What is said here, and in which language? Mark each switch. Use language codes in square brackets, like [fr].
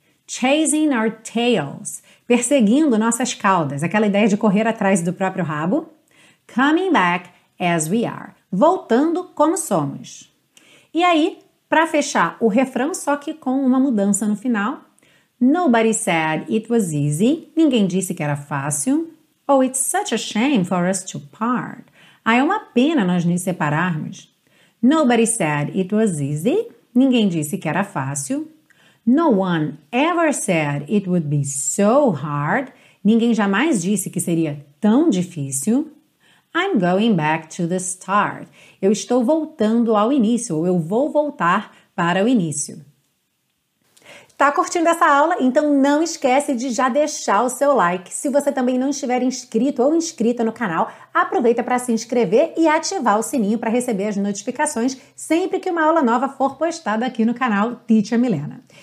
[en] Chasing our tails, [pt] perseguindo nossas caudas, aquela ideia de correr atrás do próprio rabo. [en] Coming back as we are, [pt] voltando como somos. E aí, para fechar o refrão, só que com uma mudança no final. [en] Nobody said it was easy, [pt] ninguém disse que era fácil. [en] Oh, it's such a shame for us to part. [pt] Ah, é uma pena nós nos separarmos. [en] Nobody said it was easy. [pt] Ninguém disse que era fácil. [en] No one ever said it would be so hard. [pt] Ninguém jamais disse que seria tão difícil. [en] I'm going back to the start. [pt] Eu estou voltando ao início, ou eu vou voltar para o início. Tá curtindo essa aula? Então não esquece de já deixar o seu like. Se você também não estiver inscrito ou inscrita no canal, aproveita para se inscrever e ativar o sininho para receber as notificações sempre que uma aula nova for postada aqui no canal Teacher Milena.